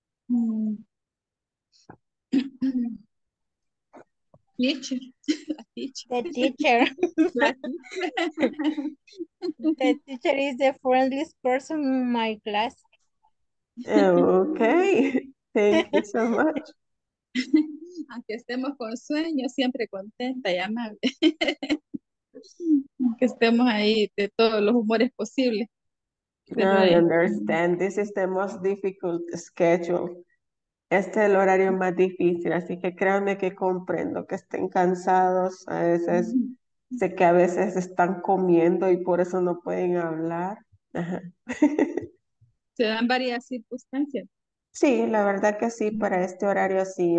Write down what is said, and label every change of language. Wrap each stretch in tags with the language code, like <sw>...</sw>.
<en>Teacher. The teacher is the friendliest person in my class. Okay, thank you so much.</en> <es>Aunque estemos con sueño, siempre contenta y amable. Que estemos ahí de todos los humores posibles.</es> <en>No, I understand. This is the most difficult schedule.</en> <es>Este es el horario más difícil, así que créanme que comprendo que estén cansados. A veces sé que a veces están comiendo y por eso no pueden hablar. Ajá. Se dan varias circunstancias. Sí, la verdad que sí, para este horario sí.</es>